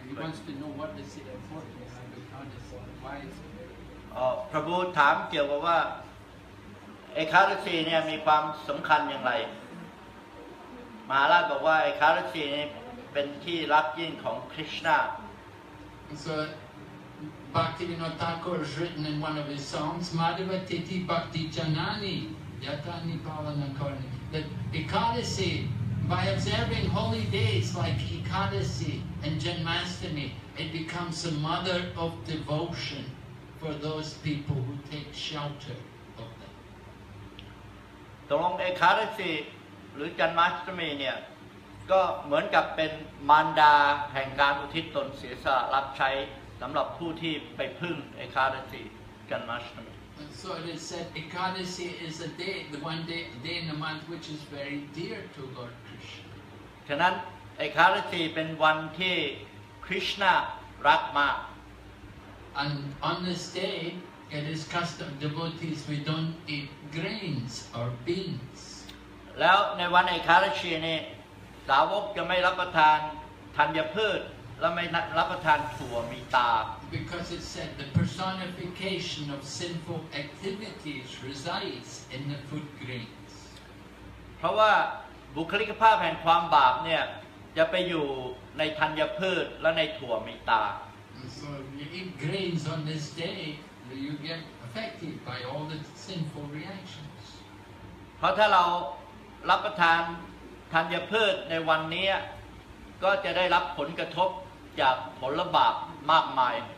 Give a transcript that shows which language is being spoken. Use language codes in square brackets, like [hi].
[en] He wants to know what is it important to Ekadasi. Why is it? [th] Oh, Prabhu, ถามเกี่ยวกับว่าเอกาทศีเนี่ยมีความสำคัญอย่างไรมหาราชบอกว่าเอกาทศีเนี่ยเป็นที่รักยิ่งของคริสนา [en] So, Bhaktivinoda Thakur has written in one of his songs, Madhava Tithi Bhakti Janani. [bn] Yatani Pavana Karni. [en] That Ekadasi, by observing holy days like Ekadasi and Janmashtami, it becomes a mother of devotion for those people who take shelter of them. [th] ตรงเอกาทศีหรือจันมัสตมีเนี่ยก็เหมือนกับเป็นมารดาแห่งการอุทิศตนเสียสละรับใช้สำหรับผู้ที่ไปพึ่งเอกาทศีจันมัสตมี [en] So it is said, Ekadasi is a day, the one day, day in the month which is very dear to Lord Krishna. [th] ฉะนั้น Ekadasi เป็นวันที่ Krishna รักมาก [en] And on this day, it is custom devotees we don't eat grains or beans. [th] แล้วในวัน Ekadasi นี้สาวกจะไม่รับประทานธัญพืชและไม่รับประทานถั่วมีตา [en] Because it said the personification of sinful activities resides in the food grains. [th] เพราะว่าบุคลิกภาพแห่งความบาปเนี่ยจะไปอยู่ในธัญพืชและในถั่วมีตา [en] So you eat grains on this day, you get affected by all the sinful reactions. [th] เพราะถ้าเรารับประทานธัญพืชในวันนี้ ก็จะได้รับผลกระทบจากผลบาปมากมาย